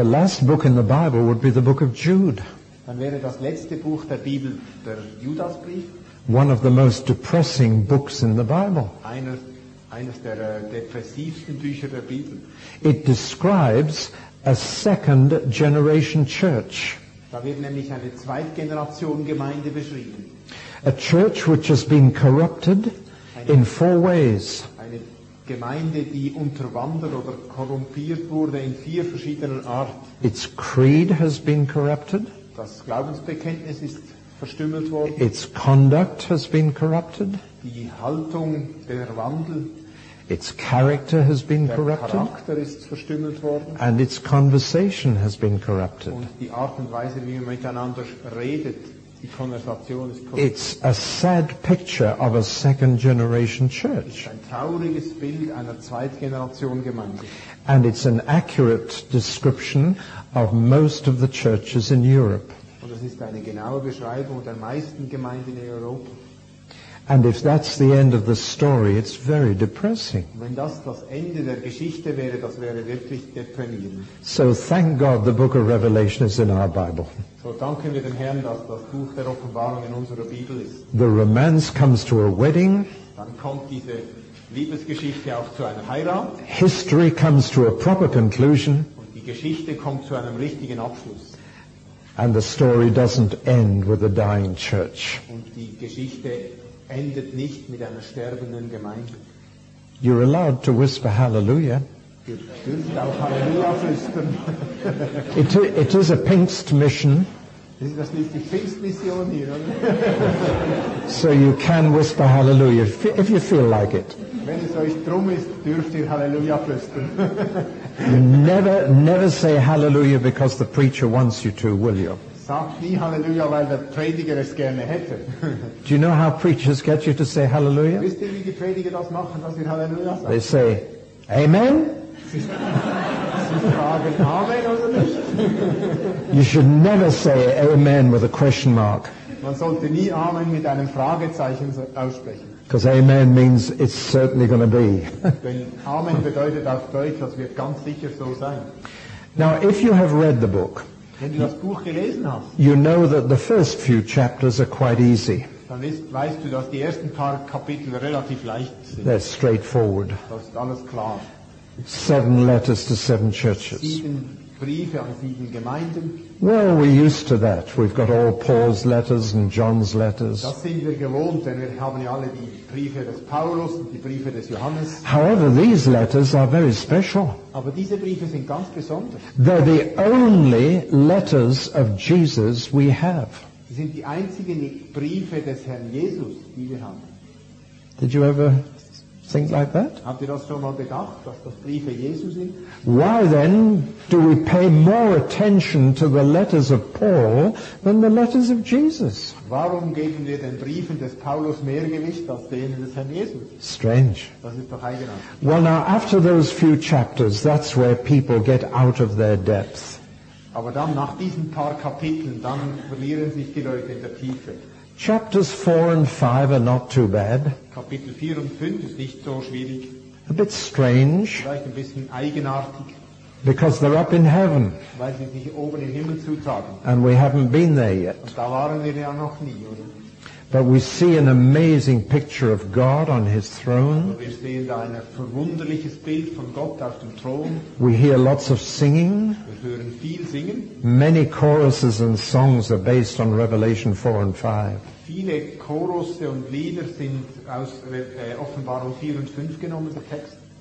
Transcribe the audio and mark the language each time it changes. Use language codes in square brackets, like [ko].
[en] The last book in the Bible would be the book of Jude. [de] Dann wäre das letzte Buch der Bibel der Judasbrief. [en] One of the most depressing books in the Bible. [de] Eines der depressivsten Bücher der Bibel. [en] It describes a second generation church. [de] Da wird nämlich eine Zweitgeneration Gemeinde beschrieben. [en] A church which has been corrupted in four ways. [de] Eine Gemeinde, die unterwandert oder korrumpiert wurde in vier verschiedenen Art. [en] Its creed has been corrupted. [de] Das Glaubensbekenntnis ist verstümmelt worden. [en] Its conduct has been corrupted. [de] Die Haltung, der Wandel. [en] Its character has been corrupted. [de] Der Charakter ist verstümmelt worden. [en] And its conversation has been corrupted. [de] Und die Art und Weise, wie man miteinander redet, Die Konversation ist kurz. [en] It's a sad picture of a second generation church. [de] Ein trauriges Bild einer Zweitgeneration Gemeinde. [en] And it's an accurate description of most of the churches in Europe. [de] Und das ist eine genaue Beschreibung der meisten Gemeinden in Europa. [en] And if that's the end of the story, it's very depressing. [de] Wenn das Ende der Geschichte wäre, das wäre wirklich deprimierend. [en] So thank God the book of Revelation is in our Bible. [de] So danken wir dem Herrn, dass das Buch der Offenbarung in unserer Bibel ist. [en] The romance comes to a wedding. [de] Dann kommt diese Liebesgeschichte auch zu einer Heirat. [en] History comes to a proper conclusion. [de] Und die Geschichte kommt zu einem richtigen Abschluss. [en] And the story doesn't end with a dying church. [de] Und die Geschichte endet nicht mit einer sterbenden Gemeinde. [en] You're allowed to whisper hallelujah. [de] Ihr dürft auch Halleluja flüstern. [en] It is a Pinkst mission. [de] Ist das nicht die Pfingstmission hier? [en] So you can whisper hallelujah if you feel like it. [de] Wenn es euch drum ist, dürft ihr Halleluja flüstern. [en] Never say hallelujah because the preacher wants you to, will you? [de] Sagt nie Halleluja, weil der Prediger es gerne hätte. [en] Do you know how preachers get you to say Hallelujah? [de] Wisst ihr, wie die Prediger das machen, dass wir Halleluja sagen? [en] They say, Amen. [de] Sie fragen Amen oder nicht? [en] You should never say Amen with a question mark. [de] Man sollte nie Amen mit einem Fragezeichen aussprechen. [en] Because Amen means it's certainly going to be. [de] Denn Amen bedeutet auf Deutsch, das wird ganz sicher so sein. [en] Now, if you have read the book, [de] wenn du das Buch gelesen hast, [en] you know that the first few chapters are quite easy. [de] Dann weißt du, dass die ersten paar Kapitel relativ leicht sind. [en] They're straightforward. [de] Das ist alles klar. [en] Seven letters to seven churches. [de] Sieben Briefe an sieben Gemeinden. [en] Well, we're used to that. We've got all Paul's letters and John's letters. [de] Das sind wir gewohnt, denn wir haben ja alle die Briefe des Paulus und die Briefe des Johannes. [en] However, these letters are very special. [de] Aber diese Briefe sind ganz besonders. [en] They're the only letters of Jesus we have. [de] Sie sind die einzigen Briefe des Herrn Jesus, die wir haben. [en] Did you ever think like that? [de] Habt ihr das schon mal bedacht, dass das Briefe Jesu sind? [en] Why then do we pay more attention to the letters of Paul than the letters of Jesus? [de] Warum geben wir den Briefen des Paulus mehr Gewicht als denen des Herrn Jesus? [en] Strange. [de] Das ist doch eigenartig. [en] Well, now after those few chapters, that's where people get out of their depth. [de] Aber dann nach diesen paar Kapiteln, dann verlieren sich die Leute in der Tiefe. [en] Chapters 4 and 5 are not too bad. [de] Kapitel 4 und 5 ist nicht so schwierig. [en] A bit strange. [de] Vielleicht ein bisschen eigenartig. [en] Because they're up in heaven. [de] Weil sie sich oben im Himmel zutragen. [en] And we haven't been there yet. [de] Und da waren wir ja noch nie, oder? [en] But we see an amazing picture of God on his throne. [de] Also wir sehen da ein verwunderliches Bild von Gott auf dem Thron. [en] We hear lots of singing. [de] Wir hören viel singen. [en] Many choruses and songs are based on Revelation 4 and 5. [de] Viele Chorusse und Lieder sind aus Offenbarung 4 und 5 genommen, der Text.